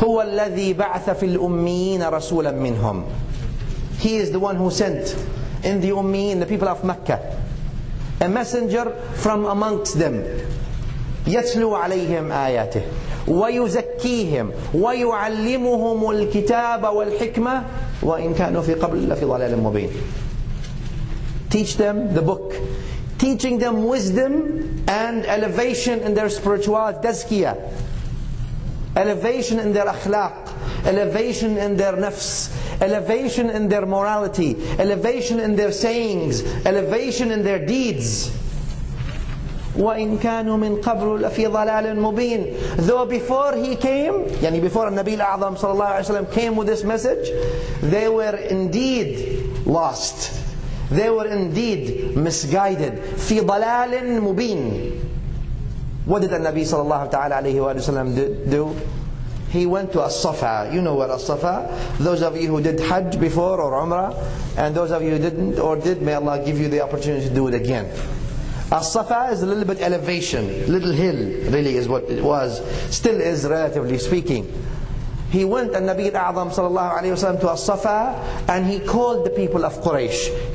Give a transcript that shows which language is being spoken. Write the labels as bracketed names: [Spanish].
[Arabic] هو الذي بعث في الأميين رسولا منهم. [English] He is the one who sent in the Ummiyin, the people of Mecca, a messenger from amongst them. [Arabic] يتلو عليهم آياته. ويزكيهم ويعلمهم الكتاب والحكمة وإن كانوا في قبل لفي ضلال مبين. [English] Teach them the book, teaching them wisdom and elevation in their spirituality, tazkiyah, elevation in their akhlaq, elevation in their nafs, elevation in their morality, elevation in their sayings, elevation in their deeds. [Arabic] وَإِنْ كَانُوا مِنْ قَبْلُ لَفِي ضَلَالٍ مُبِينٍ. [English] Though before he came, يعني before [Arabic] النبي الأعظم صلى الله عليه وسلم [English] came with this message, they were indeed lost. They were indeed misguided. [Arabic] في ضلال مبين. [English] What did [Arabic] النبي صلى الله عليه وسلم [English] do? he went to As-Safa. You know where As-Safa? Those of you who did Hajj before or Umrah, and those of you who didn't or did, may Allah give you the opportunity to do it again. As-Safa is a little bit elevation, little hill, really is what it was, still is relatively speaking. He went, An-Nabi al-A'zam sallallahu alayhi wa sallam, to As-Safa, and he called the people of Quraysh.